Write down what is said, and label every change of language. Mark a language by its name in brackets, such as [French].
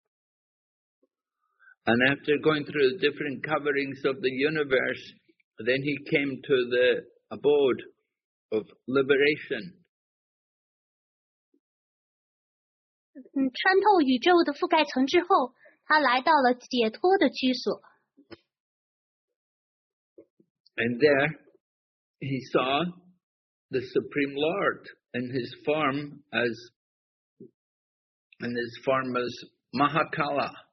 [English] after going through the different coverings of the universe, then he came to the abode of liberation. [Chinese] 穿透宇宙的覆盖层之后， 他来到了解脱的居所。 [English] And there he saw the Supreme Lord in his form as Mahakala.